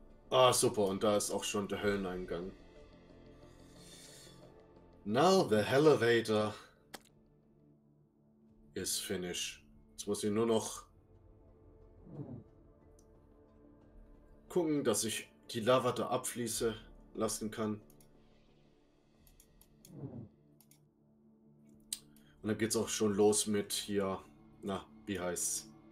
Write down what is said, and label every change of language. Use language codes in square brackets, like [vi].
[de] Ah, super, und da ist auch schon der Hölleneingang. [en] Now the elevator is finished. [de] Jetzt muss ich nur noch gucken, dass ich die Lava da abfließen lassen kann. Und dann geht's auch schon los mit hier, na, wie heißt's?